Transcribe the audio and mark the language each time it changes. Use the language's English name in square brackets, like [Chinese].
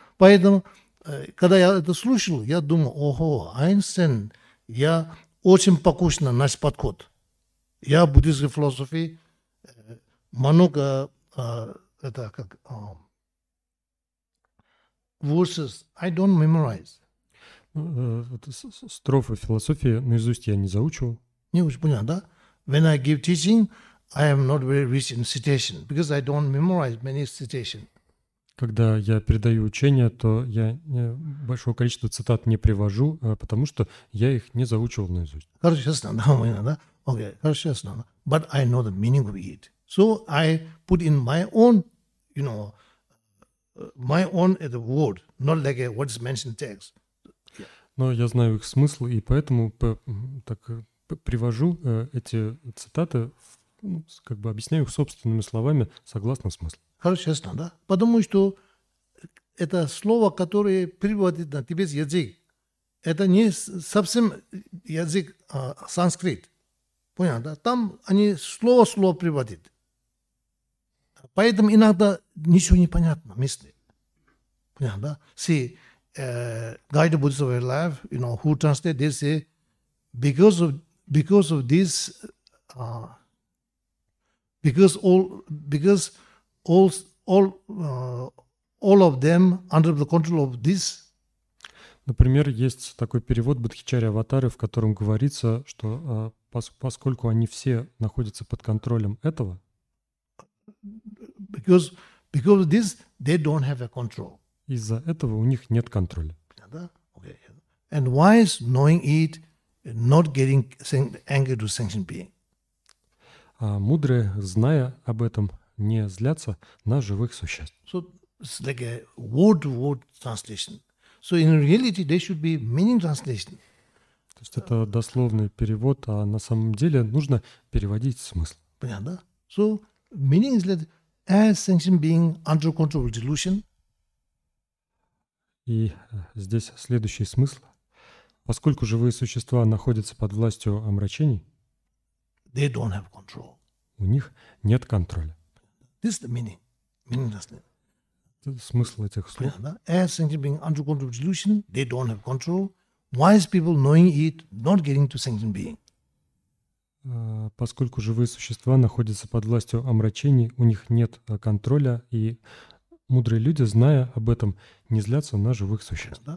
[Russian] Поэтому когда я это слушал, я думал, ого, Айнстейн, я очень похож на наш подход. Я в буддийской философии много, это как, [English] verses, I don't memorize. [Russian] Это строфы философии наизусть я не заучивал. Не очень понятно, да? [English] When I give teaching, I am not very rich in citation, because I don't memorize many citations. [Russian] Когда я передаю учение, то я большого количества цитат не привожу, потому что я их не заучивал наизусть. Хорошо, ясно, да, у меня, да? Окей, хорошо, ясно. [English] But I know the meaning of it. So I put in my own, you know, my own word, not like what is mentioned text. [Russian] Но я знаю их смысл, и поэтому так привожу эти цитаты, как бы объясняю их собственными словами согласно смыслу. Хорошо, ясно, да? Потому что это слово, которое переводит на тибетский язык, это не совсем язык санскрит. Понял, да? Там они слово-слово переводят. Поэтому иногда ничего не понятно, мысли. Понял, да? [English] See, Guide to Buddhism of Life, you know, who translate, they say, because of this Because all of them under the control of this. [Russian] Например, есть такой перевод Бодхичари Аватары, в котором говорится, что поскольку они все находятся под контролем этого, [English] because this, they don't have a control. [Russian] Из-за этого у них нет контроля. [English] And wise knowing it, not getting angry to sentient being. [Russian] А мудрые, зная об этом, не злятся на живых существ. [English] So it's like a word-to-word translation. So in reality, there should be meaning translation. [Russian] То есть это дословный перевод, а на самом деле нужно переводить смысл. Понятно? [English] So meaning is that as sentient being under control of delusion. [Russian] И здесь следующий смысл. Поскольку живые существа находятся под властью омрачений, [English] they don't have control. [Russian] У них нет контроля. [English] This is the meaning. Meaning translation. [Russian] Смысл этих слов. [English] As sentient being under control of delusion, they don't have control. Wise people knowing it, not getting to sentient being. [Russian] Поскольку живые существа находятся под властью омрачений, у них нет контроля, и мудрые люди, зная об этом, не злятся на живых существ.